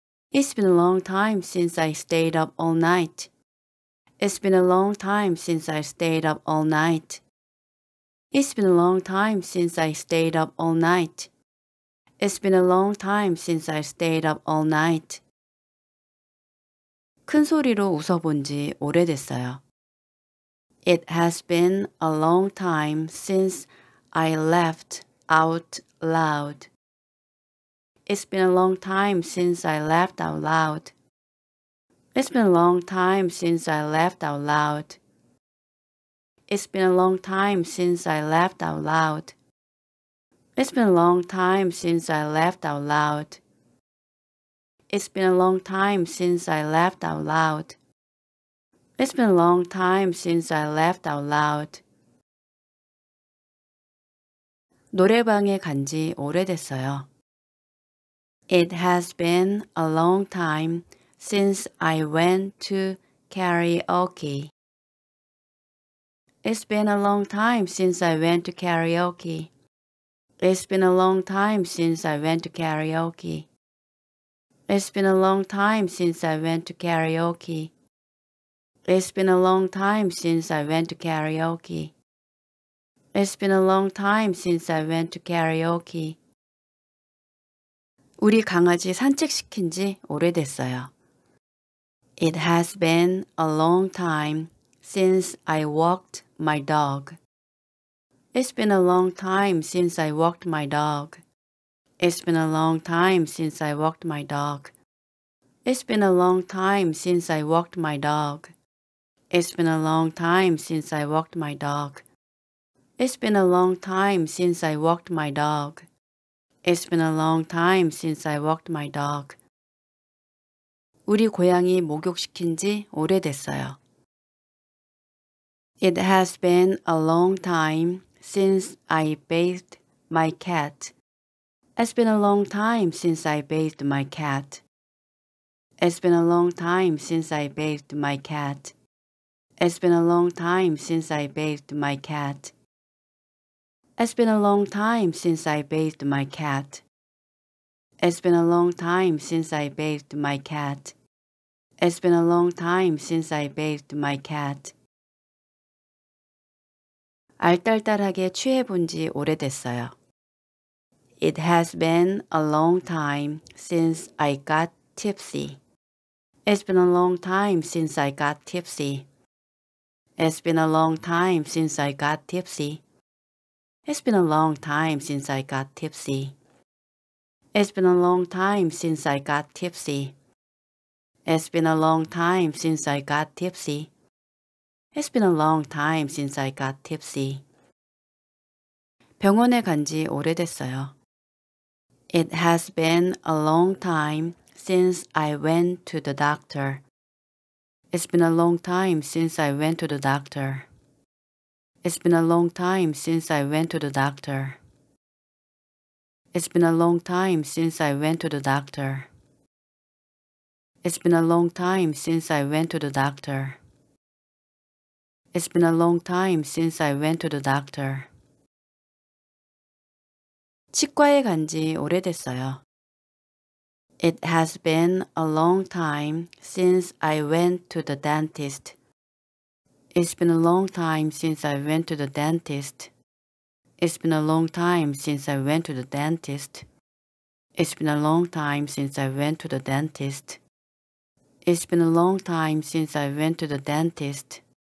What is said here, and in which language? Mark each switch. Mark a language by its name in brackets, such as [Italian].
[English] It's been a long time since I stayed up all night. It's been a long time since I stayed up all night. It's been a long time since I stayed up all night. It's been a long time since I stayed up all night. [Korean] 큰 소리로 웃어본 지 오래됐어요. [English] It has been a long time since I laughed out loud. It's been a long time since I laughed out loud. It's been a long time since I laughed out loud. It's been a long time since I laughed out loud. It's been a long time since I laughed out loud. It's been a long time since I laughed out loud. It's been a long time since I laughed out loud. [Korean] 노래방에 간 지 오래됐어요. [English] It has been a long time since I went to karaoke. It's been a long time since I went to karaoke. It's been a long time since I went to karaoke. It's been a long time since I went to karaoke. It's been a long time since I went to karaoke. It's been a long time since I went to karaoke. [Korean] 우리 강아지 산책시킨 지 오래됐어요. [English] It has been a long time since I walked my dog. It's been a long time since I walked my dog. It's been a long time since I walked my dog. It's been a long time since I walked my dog. It's been a long time since I walked my dog. It's been a long time since I walked my dog. It's been a long time since I walked my dog. [Korean] 우리 고양이 목욕시킨 지 오래됐어요. [English] It has been a long time since I bathed my cat. It's been a long time since I bathed my cat. It's been a long time since I bathed my cat. It's been a long time since I bathed my cat. It's been a long time since I bathed my cat. It's been a long time since I bathed my cat. It's been a long time since I bathed my cat. [Korean] 알딸딸하게 취해본 지 오래됐어요. [English] It has been a long time since I got tipsy. It's been a long time since I got tipsy. It's been a long time since I got tipsy. It's been a long time since I got tipsy. It's been a long time since I got tipsy. It's been a long time since I got tipsy. It's been a long time since I got tipsy. [Korean] 병원에 간 지 오래됐어요. [English] It has been a long time since I went to the doctor. It's been a long time since I went to the doctor. It's been a long time since I went to the doctor. It's been a long time since I went to the doctor. It's been a long time since I went to the doctor. It's been a long time since I went to the doctor. [Korean] 치과에 간 지 오래됐어요. [English] It has been a long time since I went to the dentist. It's been a long time since I went to the dentist. It's been a long time since I went to the dentist. It's been a long time since I went to the dentist. It's been a long time since I went to the dentist.